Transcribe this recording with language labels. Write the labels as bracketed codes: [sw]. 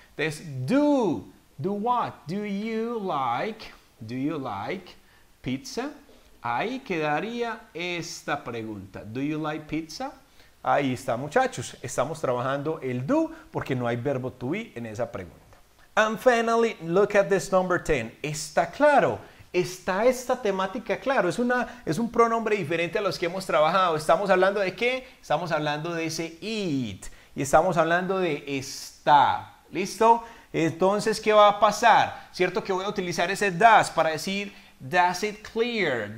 [en] Entonces, do what? Do you like pizza? [es] Ahí quedaría esta pregunta. [en] Do you like pizza? [es] Ahí está, muchachos. Estamos trabajando el do porque no hay verbo to be en esa pregunta. [en] And finally, look at this number 10. [es] ¿Está claro? ¿Está esta temática claro? Es un pronombre diferente a los que hemos trabajado. ¿Estamos hablando de qué? Estamos hablando de ese it. Y estamos hablando de está. ¿Listo? Entonces, ¿qué va a pasar? ¿Cierto que voy a utilizar ese does para decir [en] does it clear?